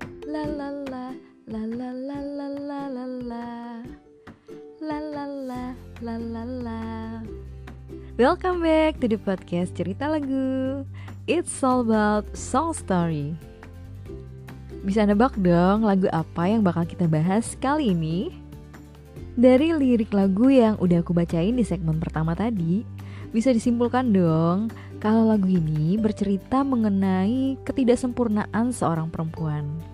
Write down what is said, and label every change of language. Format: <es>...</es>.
<en>La la la la la la la la la la la la la la la la. Welcome back to the podcast Cerita Lagu. It's all about song story.</en> <id>Bisa nebak dong lagu apa yang bakal kita bahas kali ini? Dari lirik lagu yang udah aku bacain di segmen pertama tadi, bisa disimpulkan dong kalau lagu ini bercerita mengenai ketidaksempurnaan seorang perempuan.</id>